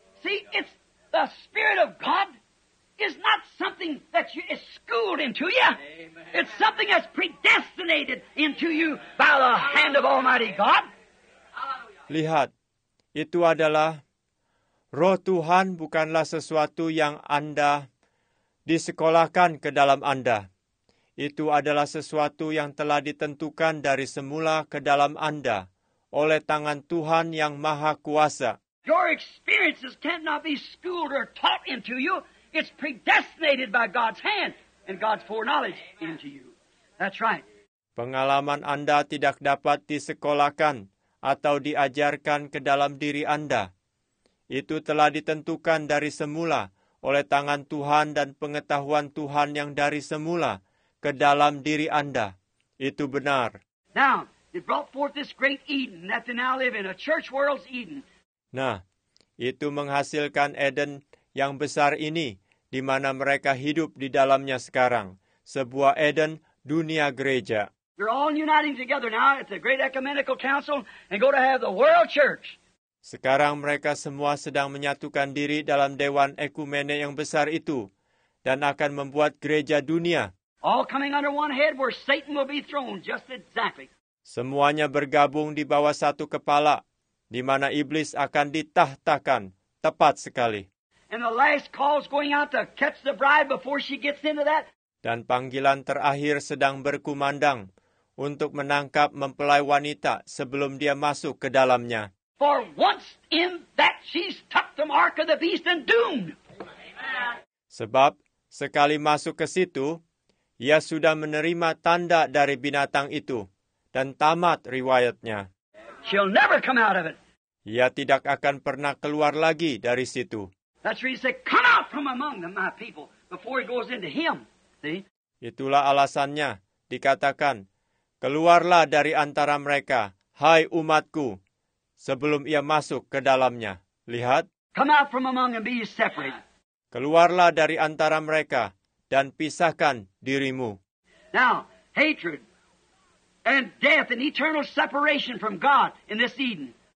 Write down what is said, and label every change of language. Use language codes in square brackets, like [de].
[en] See, it's the Spirit of God. It's not something that you, it's schooled into you. Amen. It's something that's predestinated into you by the hand of Almighty God. [id] Lihat, itu adalah Roh Tuhan bukanlah sesuatu yang Anda disekolahkan ke dalam Anda. Itu adalah sesuatu yang telah ditentukan dari semula ke dalam Anda oleh tangan Tuhan yang Maha Kuasa. [en] Your experiences cannot be schooled or taught into you. It's predestinated by God's hand and God's foreknowledge into you. That's right. [id] Pengalaman Anda tidak dapat disekolahkan atau diajarkan ke dalam diri Anda. Itu telah ditentukan dari semula oleh tangan Tuhan dan pengetahuan Tuhan yang dari semula ke dalam diri Anda. Itu benar. [en] Now, it brought forth this great Eden that they now live in, a church world's Eden. [id] Nah, itu menghasilkan Eden yang besar ini, di mana mereka hidup di dalamnya sekarang, sebuah Eden dunia gereja. [en] We're all uniting together now at the great ecumenical council and go to have the world church. [id] Sekarang mereka semua sedang menyatukan diri dalam dewan ekumene yang besar itu dan akan membuat gereja dunia. [en] All coming under one head where Satan will be thrown just exactly. [id] Semuanya bergabung di bawah satu kepala di mana iblis akan ditahtakan tepat sekali. [en] And the last call is going out to catch the bride before she gets into that. [id] Dan panggilan terakhir sedang berkumandang untuk menangkap mempelai wanita sebelum dia masuk ke dalamnya. [en] For once in that she's tucked the mark of the beast and doomed. [id] Sebab sekali masuk ke situ, ia sudah menerima tanda dari binatang itu dan tamat riwayatnya. [en] She'll never come out of it. [id] Ia tidak akan pernah keluar lagi dari situ. [en] That's why he said, "Come out from among them, my people," before he goes into him. See? [id] Itulah alasannya dikatakan, "Keluarlah dari antara mereka, hai umatku," sebelum ia masuk ke dalamnya. Lihat. [en] Come out from among and be separate. [id] Keluarlah dari antara mereka dan pisahkan dirimu. [en] Now, hatred and death and eternal separation from God in this Eden.